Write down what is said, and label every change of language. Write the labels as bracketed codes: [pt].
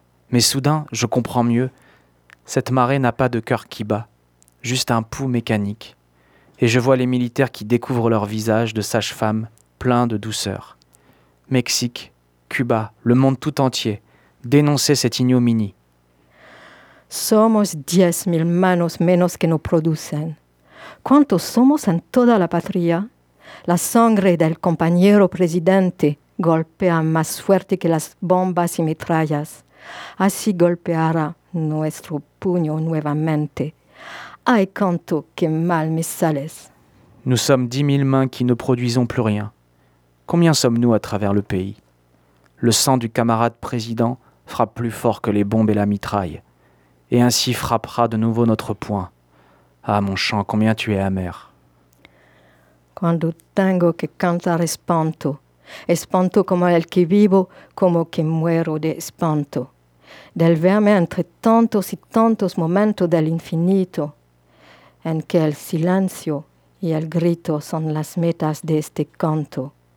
[fr] Mais soudain, je comprends mieux, cette marée n'a pas de cœur qui bat. Juste un pouls mécanique. Et je vois les militaires qui découvrent leur visage de sage-femme, plein de douceur. Mexique, Cuba, le monde tout entier, dénoncez cette ignominie. [es] Somos 10 000 manos menos que nos producen. ¿Cuántos somos en toda la patria? La sangre del compañero presidente golpea más fuerte que las bombas y metrallas. Así golpeará nuestro puño nuevamente. Ay, canto, que mal me sales. [fr] Nous sommes 10 000 mains qui ne produisons plus rien. Combien sommes-nous à travers le pays? Le sang du camarade président frappe plus fort que les bombes et la mitraille. Et ainsi frappera de nouveau notre poing. Ah, mon chant, combien tu es amer. [es] Cuando tengo que cantar espanto, espanto como el que vivo, como que muero de espanto. Del verme entre tantos y tantos momentos del infinito. En que el silencio y el grito son las metas de este canto.